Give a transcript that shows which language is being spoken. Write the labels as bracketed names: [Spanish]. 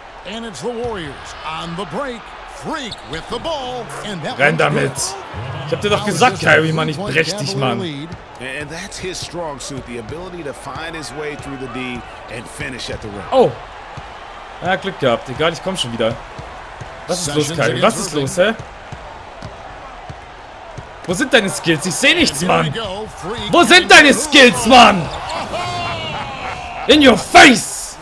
[English] And it's the Warriors on the break. Freak with the ball. And that [German] renn damit. Ich hab dir doch gesagt, Kyrie, Mann, ich brech dich, Mann. [English] And that's his strong suit, the ability to find his way through the D and finish at the rim. [German] Oh. Ja, Glück gehabt. Egal, ich komm schon wieder. Was ist los, Kyrie? Was ist los, hä? Wo sind deine Skills? Ich seh nichts, Mann. Wo sind deine Skills, Mann? [English] In your face.